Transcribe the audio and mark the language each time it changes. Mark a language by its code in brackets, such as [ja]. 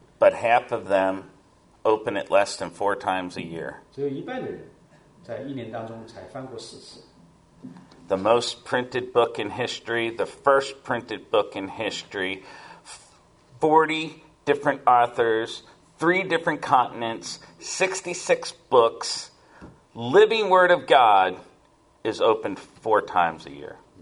[en] But half of them open it less than 4 times a year. [zh] 只有一半的人在一年当中才翻过4次。 [en] The most printed book in history, the first printed book in history, 40 different authors, 3 different continents, 66 books, living word of God is opened 4 times a year.